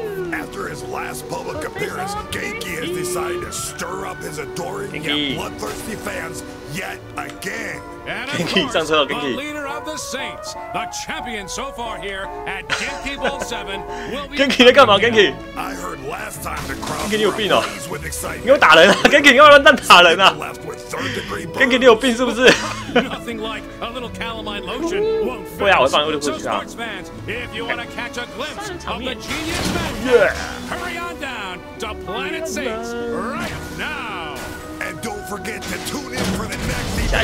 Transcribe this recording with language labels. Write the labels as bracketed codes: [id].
[en] After his last public appearance, Genki has decided to stir up his adoring yet bloodthirsty fans yet again. Genki, [zh] 上车了 [en] Genki. The leader of the Saints, the champion so far here at Genki Bowl 7, will be. Genki [zh] 在干嘛 [en] ？Genki. I heard last time the crowd. [zh] Genki 有病哦！你又打人了 ，Genki 又乱打人了。Genki 你有病是不是？ [en] Nothing like a little calamine lotion won't fix. [zh] 对啊，我上一个就过去啊。 [en] So sports fans, if you want to catch a glimpse of the genius magic, hurry on down to Planet Saints right now. And don't forget to tune in for the next season.